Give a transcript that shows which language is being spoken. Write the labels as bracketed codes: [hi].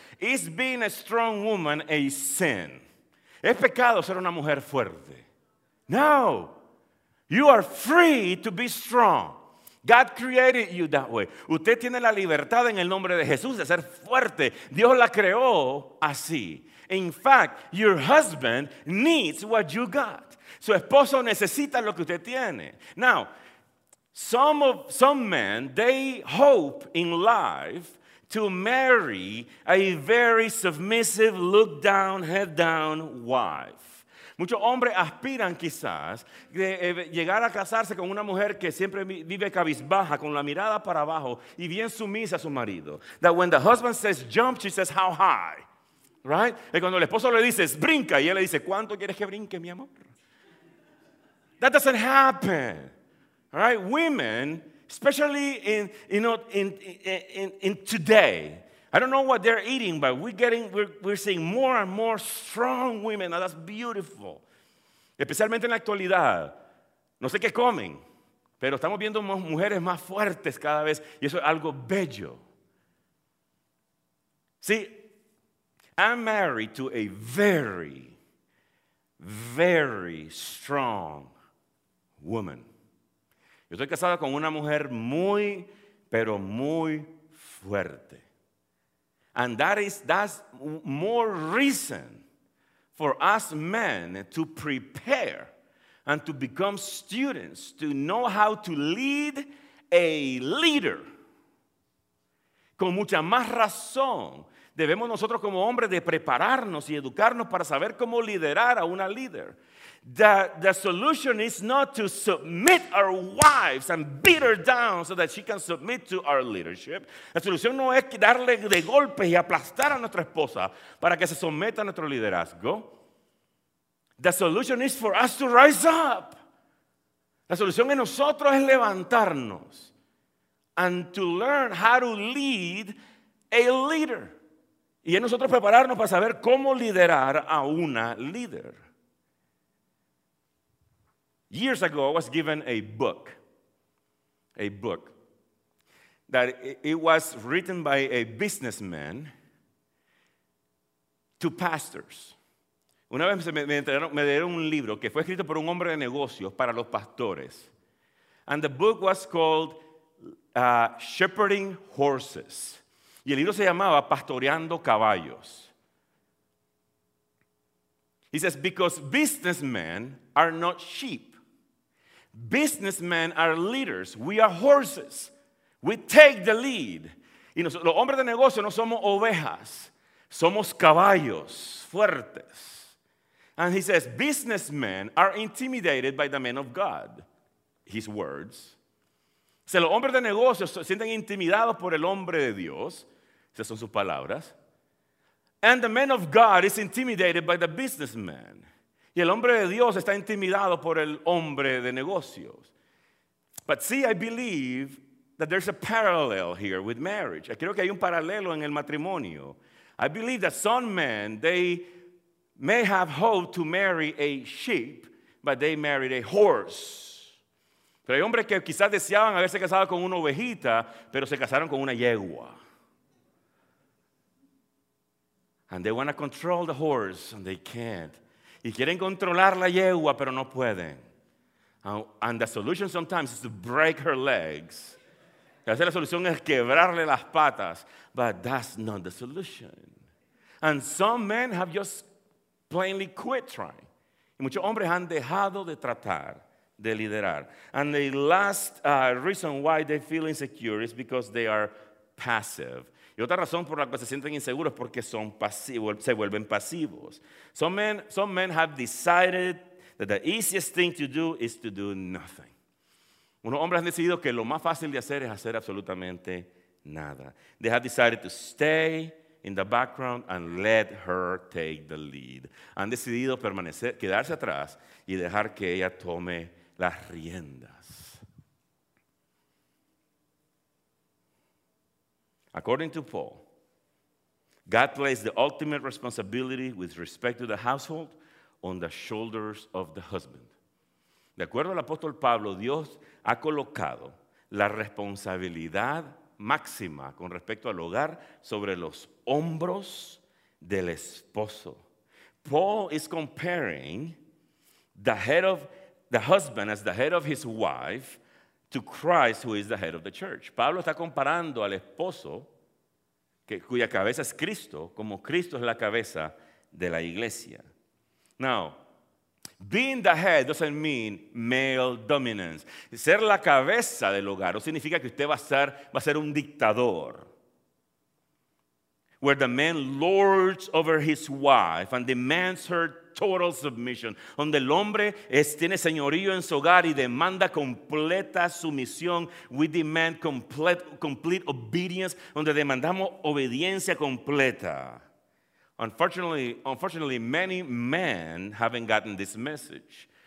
[en] Is being a strong woman a sin? [es] ¿Es pecado ser una mujer fuerte? No. [en] You are free to be strong. God created you that way. [es] Usted tiene la libertad en el nombre de Jesús de ser fuerte. Dios la creó así. [en] In fact, your husband needs what you got. [es] Su esposo necesita lo que usted tiene. [en] Now, some men, they hope in life to marry a very submissive, look down, head down wife. [es] Muchos hombres aspiran quizás de llegar a casarse con una mujer que siempre vive cabizbaja, con la mirada para abajo y bien sumisa a su marido. [en] That when the husband says jump, she says how high, right? [es] Y cuando el esposo le dice brinca, y él le dice ¿cuánto quieres que brinque, mi amor? [en] That doesn't happen, right? Women, especially in today. I don't know what they're eating, but we're seeing more and more strong women. Now, that's beautiful. [es] Especialmente en la actualidad. No sé qué comen, pero estamos viendo mujeres más fuertes cada vez, y eso es algo bello. [en] See, I'm married to a very, very strong woman. [es] Yo estoy casado con una mujer muy, pero muy fuerte. [en] And that's more reason for us men to prepare and to become students, to know how to lead a leader. [es] con mucha más razón debemos nosotros como hombres de prepararnos y educarnos para saber cómo liderar a una líder. [en] The solution is not to submit our wives and beat her down so that she can submit to our leadership. [es] La solución no es darle de golpes y aplastar a nuestra esposa para que se someta a nuestro liderazgo. [en] The solution is for us to rise up. [es] La solución en nosotros es levantarnos [en] and to learn how to lead a leader. [es] Y en nosotros prepararnos para saber cómo liderar a una líder. [en] Years ago, I was given a book that it was written by a businessman to pastors. [es] Una vez me dieron un libro que fue escrito por un hombre de negocios para los pastores. [en] And the book was called Shepherding Horses. [es] Y el libro se llamaba Pastoreando Caballos. [en] He says, because businessmen are not sheep. Businessmen are leaders. We are horses. We take the lead. [es] Y nosotros, los hombres de negocio no somos ovejas. Somos caballos fuertes. [en] And he says, businessmen are intimidated by the men of God. His words. [es] O sea, los hombres de negocio se sienten intimidados por el hombre de Dios. Esas son sus palabras. [en] And the man of God is intimidated by the businessman. [es] Y el hombre de Dios está intimidado por el hombre de negocios. [en] But see, I believe that there's a parallel here with marriage. [es] Creo que hay un paralelo en el matrimonio. [en] I believe that some men, they may have hoped to marry a sheep, but they married a horse. [es] Pero hay hombres que quizás deseaban haberse casado con una ovejita, pero se casaron con una yegua. [en] And they want to control the horse, and they can't. [es] Y quieren controlar la yegua, pero no pueden. [en] And the solution sometimes is to break her legs. [es] A veces la solución es quebrarle las patas. [en] But that's not the solution. And some men have just plainly quit trying. [es] Y muchos hombres han dejado de tratar de liderar. [en] And the last reason why they feel insecure is because they are passive. [es] Y otra razón por la cual se sienten inseguros es porque son pasivos, se vuelven pasivos. [en] Some men have decided that the easiest thing to do is to do nothing. [es] Unos hombres han decidido que lo más fácil de hacer es hacer absolutamente nada. [en] They have decided to stay in the background and let her take the lead. [es] Han decidido permanecer, quedarse atrás y dejar que ella tome las riendas. [en] According to Paul, God placed the ultimate responsibility with respect to the household on the shoulders of the husband. [es] De acuerdo al apóstol Pablo, Dios ha colocado la responsabilidad máxima con respecto al hogar sobre los hombros del esposo. [en] Paul is comparing the husband as the head of his wife to Christ, who is the head of the church. [es] Pablo está comparando al esposo, cuya cabeza es Cristo, como Cristo es la cabeza de la iglesia. [en] Now, being the head doesn't mean male dominance. [es] Ser la cabeza del hogar no significa que usted va a ser un dictador. [en] Where the man lords over his wife and demands her total submission. [es] Donde el hombre tiene señorío en su hogar y demanda completa sumisión. [en] We demand complete obedience. [es] Donde demandamos obediencia completa. [en] Unfortunately, many men haven't gotten this message.